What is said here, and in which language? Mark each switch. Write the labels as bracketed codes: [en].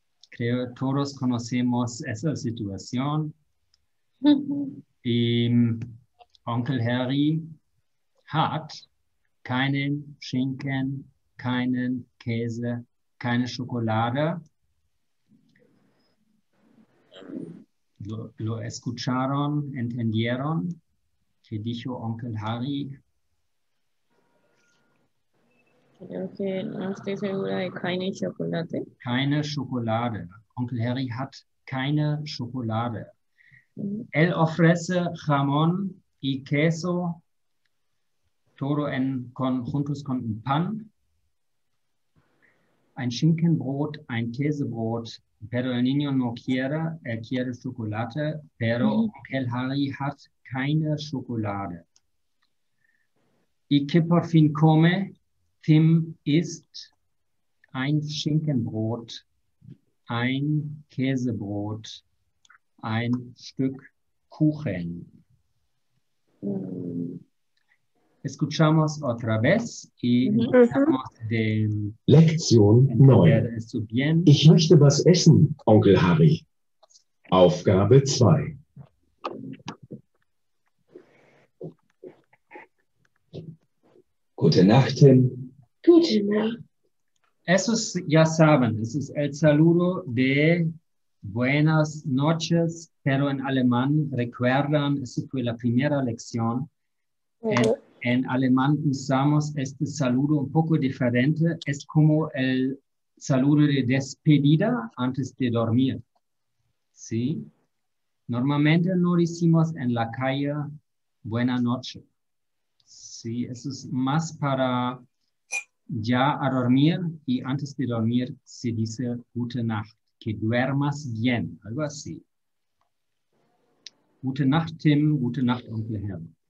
[es] Creo que todos conocemos esa situación. [de] Y Onkel Harry hat keinen Schinken, keinen Käse, keine Schokolade. [es] ¿Lo escucharon? ¿Entendieron? ¿Qué dijo Onkel Harry? Creo que no estoy segura de [de] keine Schokolade. Keine Schokolade. Onkel Harry hat keine Schokolade. [es] Él ofrece jamón y queso, todo en conjuntos con un pan, [de] ein Schinkenbrot, ein Käsebrot, [es] pero el niño no quiere, él quiere Schokolade, pero [de] Onkel Harry hat keine Schokolade. [es] Y que por fin come, [de] Tim isst ein Schinkenbrot, ein Käsebrot, ein Stück Kuchen. [es] Escuchamos otra vez y empezamos de [de] Lektion 9. Ich möchte was essen, Onkel Harry. Aufgabe 2. Gute Nacht, Tim. Gute Nacht. [es] Eso es, ya saben, es ist el saludo de buenas noches, pero en alemán, recuerdan, eso fue la primera lección. En alemán usamos este saludo un poco diferente. Es como el saludo de despedida antes de dormir. ¿Sí? Normalmente no decimos en la calle buena noche. Sí, eso es más para ya a dormir y antes de dormir se dice gute Nacht, que duermas bien, algo así. [de] Gute Nacht, Tim, gute Nacht, Onkel Herr.